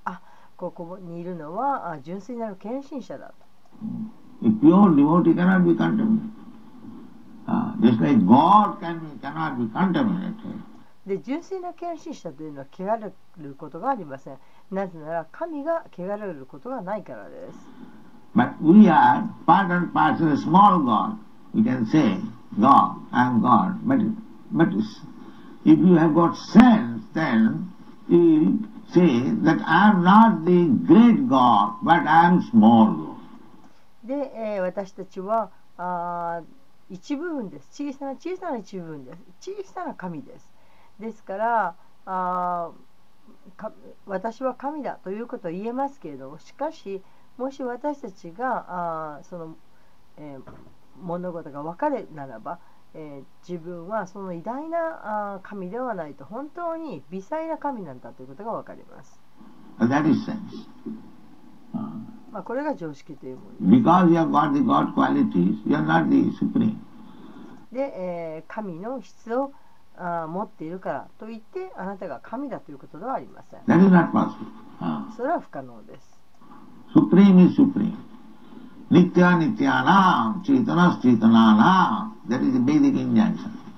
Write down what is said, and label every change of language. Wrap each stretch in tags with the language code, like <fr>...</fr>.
<ja>あ、ここにいるのは純粋なる献身者だと。</ja> <en>A pure devotee cannot be contaminated. Just like God cannot be contaminated.</en> <ja>で、純粋な献身者というのは汚ることがありません。なぜなら神が汚ることがないからです。</ja> <en>But we are part and parcel of a small God. We can say. God, I am God. But if you have got sense, then you will say that I am not the great God, but I am small God.</en> <ja>で、私たちは一部分です。小さな一部分です。小さな神です。ですから、私は神だということを言えますけれども、しかし、もし私たちが物事が分かるならば、自分はその偉大な神ではないと、本当に微細な神なんだということがわかります。</ja> <en>That is sense.</en> <ja>まあこれが常識というものです。</ja> <en>Because you have got the God qualities, you are not the supreme.</en> <ja>で、神の質を持っているからといってあなたが神だということではありません。</ja> <en>That is not possible.</en> <ja>それは不可能です。</ja> <en>Supreme is supreme. Nitya Nityana Chaitana Chaitanana That is the basic injunction.</en>